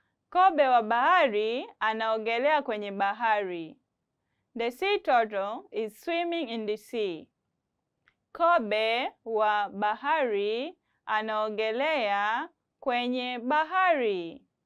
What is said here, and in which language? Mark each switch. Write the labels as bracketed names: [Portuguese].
[Swahili] Kobe wa bahari anaogelea kwenye bahari. [English] The sea turtle is swimming in the sea. [Swahili] Kobe wa bahari anaogelea kwenye bahari.